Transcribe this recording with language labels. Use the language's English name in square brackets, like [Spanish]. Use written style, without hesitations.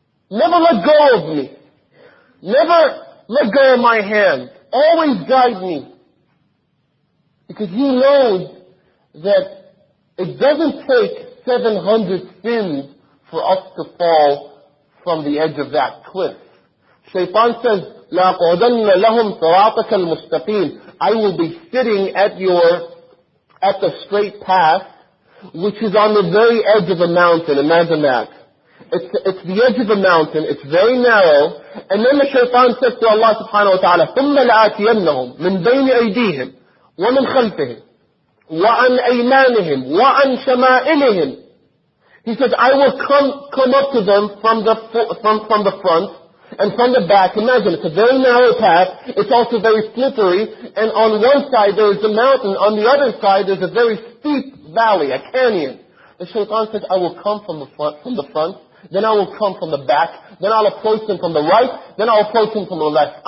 [English] Never let go of me. Never let go of my hand. Always guide me. Because he knows that it doesn't take 700 sins for us to fall from the edge of that cliff. Shaytan says, [Arabic] لَأَقْعُدَنَّ لَهُمْ صِرَاطَكَ الْمُسْتَقِيمِ. [English] I will be sitting at the straight path, which is on the very edge of a mountain. Imagine that. It's the edge of a mountain. It's very narrow. And then the shaytan says to Allah subhanahu wa ta'ala, [Arabic] ثُمَّ لَآتِيَنَّهُمْ مِنْ بَيْنِ أَيْدِيهِمْ وَمِنْ خَلْفِهِمْ وَعَنْ أَيْمَانِهِمْ وَعَنْ شَمَائِلِهِمْ. [English] He says, I will come up to them from the front and from the back. Imagine, it's a very narrow path. It's also very slippery. And on one side there is a mountain. On the other side there's a very steep valley, a canyon. The shaitan says, I will come from the front, then I will come from the back, then I'll approach them from the right, then I'll approach them from the left.